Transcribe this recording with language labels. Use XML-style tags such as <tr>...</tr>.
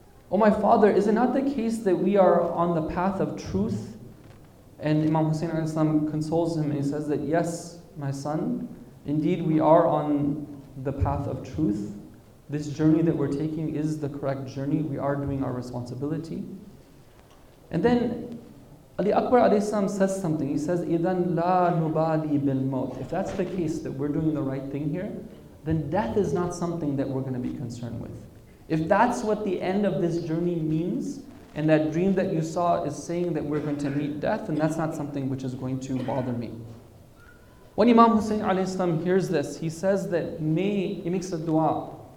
<en>Oh my father, is it not the case that we are on the path of truth? And Imam Hussain alayhi salam consoles him and he says that, yes, my son, indeed we are on the path of truth. This journey that we're taking is the correct journey. We are doing our responsibility. And then Ali Akbar alayhi salam says something. He says,</en> <ar>إِذَنْ لَا نُبَالِي بِالْمَوْتِ.</ar> <en>If that's the case that we're doing the right thing here, then death is not something that we're going to be concerned with. If that's what the end of this journey means, and that dream that you saw is saying that we're going to meet death, then that's not something which is going to bother me. When Imam Hussein alayhi salam hears this, he says that he makes a dua.</en>